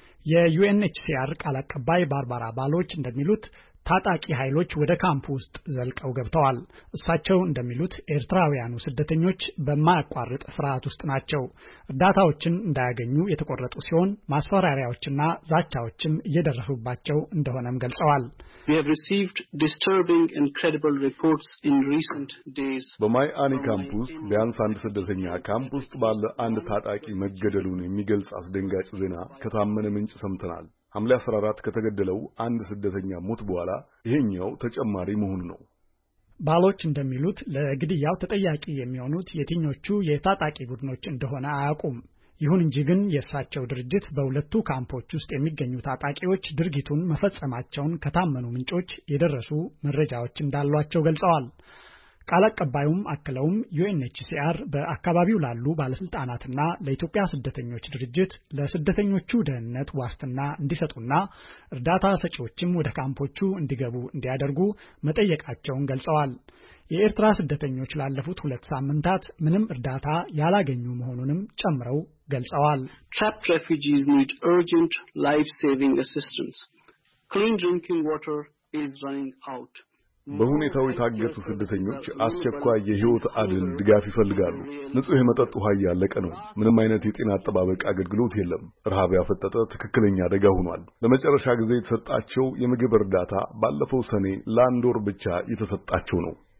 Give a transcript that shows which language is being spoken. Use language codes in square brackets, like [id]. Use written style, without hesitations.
[am] የUNHCR ቃል አቀባይ ባርባራ ባሎች እንደሚሉት ታጣቂ ኃይሎች ወደ ካምፕ ውስጥ ዘልቀው ገብተዋል። እሳቸው እንደሚሉት ኤርትራውያኑ ስደተኞች በማያቋርጥ ፍርሃት ውስጥ ናቸው። ዳታዎችን እንዳያገኙ የተቆረጡ ሲሆን ማስፈራሪያዎችና ዛቻዎችም እየደረሱባቸው እንደሆነም ገልጸዋል። [en] We have received disturbing and credible reports in recent days. [am] በማይ አኒ ካምፕስ ቢያንስ አንድ ስደተኛ ካምፕስ ባለ አንድ ታጣቂ መገደሉን የሚገልጽ አስደንጋጭ ዜና ከታመነ ምንጭ ሰምተናል። ሐምሌ 14 ከተገደለው አንድ ስደተኛ ሞት በኋላ ይሄኛው ተጨማሪ መሆኑ ነው። ባሎች እንደሚሉት ለግድያው ተጠያቂ የሚሆኑት የትኞቹ የታጣቂ ቡድኖች እንደሆነ አያውቁም። ይሁን እንጂ ግን የሳቸው ድርጅት በሁለቱ ካምፖች ውስጥ የሚገኙ ታጣቂዎች ድርጊቱን መፈጸማቸውን ከታመኑ ምንጮች የደረሱ መረጃዎች እንዳሏቸው ገልጸዋል። ቃል አቀባዩም አክለውም UNHCR በአካባቢው ላሉ ባለስልጣናትና ለኢትዮጵያ ስደተኞች ድርጅት ለስደተኞቹ ደህንነት ዋስትና እንዲሰጡና እርዳታ ሰጪዎችም ወደ ካምፖቹ እንዲገቡ እንዲያደርጉ መጠየቃቸውን ገልጸዋል። የኤርትራ ስደተኞች ላለፉት 2 ሳምንታት ምንም እርዳታ ያላገኙ መሆኑንም ጨምረው ገልጸዋል። [en] Trapped refugees need urgent life-saving assistance. Clean drinking water is running out. [am] በሁኔታው የታገቱ ስደተኞች አስቸኳይ የህይወት አድን ድጋፍ ይፈልጋሉ። ንጹህ የመጠጥ ውሃ ያለቀ ነው። ምንም አይነት የጤና አጠባበቅ አገልግሎት የለም። ረሃብ ያፈጠጠ ትክክለኛ አደጋ ሆኗል። ለመጨረሻ ጊዜ የተሰጣቸው የምግብ እርዳታ ባለፈው ሰኔ ለአንድ ወር ብቻ የተሰጣቸው ነው።